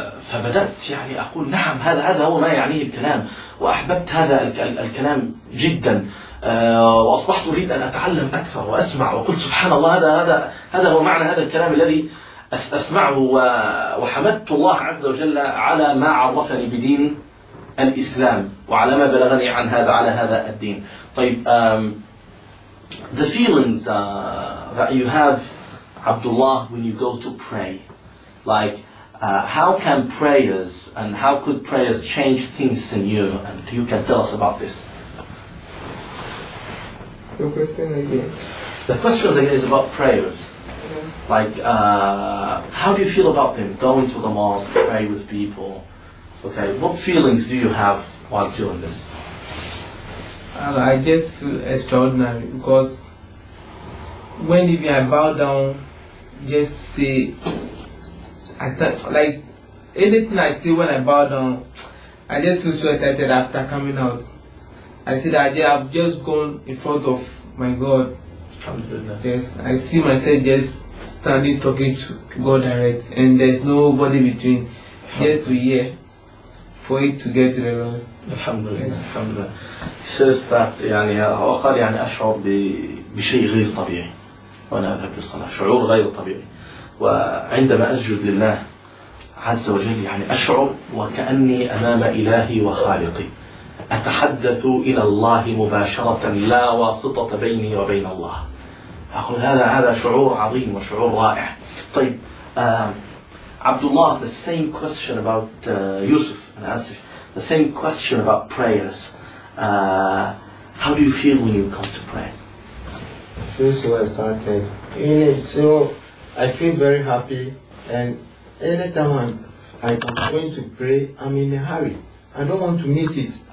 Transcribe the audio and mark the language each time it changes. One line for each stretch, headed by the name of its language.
Arabic: فبدأت يعني أقول نعم هذا هو ما يعنيه الكلام، وأحببت هذا الكلام جدا، وأصبحت أريد أن أتعلم أكثر وأسمع، وقلت سبحان الله هذا هو معنى هذا الكلام الذي أسمعه، وحمدت الله عز وجل على ما عرفني بدينه الإسلام وعلى ما بلغني عن هذا على هذا الدين.
English: طيب the feelings that you have, Abdullah, when you go to pray, like how can prayers and how could prayers change things in you? And you can tell us about this. The question again. The question again is about prayers. Yeah. Like how do you feel about them? Going to the mosque, pray with people. Okay, what feelings do you have while doing this? I just feel extraordinary, because when even I bow down, just say, like anything I see when I bow down, I just feel so excited after coming out. I see that I have just gone in front of my God. Yes, I see myself just standing talking to God direct, and there's nobody between, ear to ear. For it to get to the Lord.
Arabic: Alhamdulillah.
English: He says that
Arabic: يعني وقال يعني أشعر بشيء غير طبيعي وأنا أذهب للصلاة، شعور غير طبيعي، وعندما أسجد لله عز وجل يعني أشعر وكأني أمام إلهي وخالقي، أتحدث إلى الله مباشرة لا واسطة بيني وبين الله. أقول هذا شعور عظيم وشعور رائع.
English: طيب Abdullah, the same question about Yusuf and Asif, the same question about prayers. How do you feel when you come to pray? I feel so excited. So I feel very happy, and anytime I'm going to pray, I'm in a hurry. I don't want to miss it.